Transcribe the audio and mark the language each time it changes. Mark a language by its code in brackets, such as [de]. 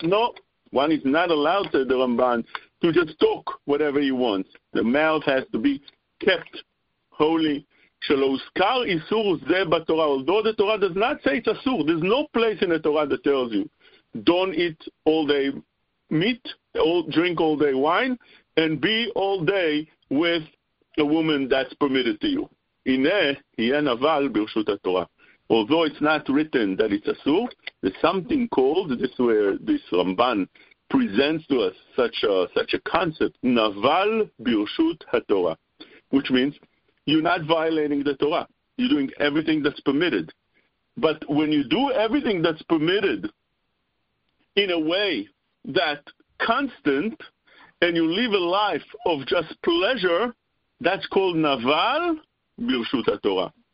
[en] No, one is not allowed, said the Ramban, to just talk whatever he wants. The mouth has to be kept holy. [he] שלאוזכר איסור זה בתורה, [en] although the Torah does not say it's אסור, there's no place in the Torah that tells you, don't eat all day meat, or drink all day wine, and be all day with a woman that's permitted to you. [he] הנה, יהיה נבל ברשות התורה. [en] Although it's not written that it's אסור, there's something called, this where this Ramban presents to us such a concept, [he] נבל ברשות התורה, [en] which means you're not violating the Torah. You're doing everything that's permitted. But when you do everything that's permitted in a way that constant and you live a life of just pleasure, that's called naval birshut haTorah.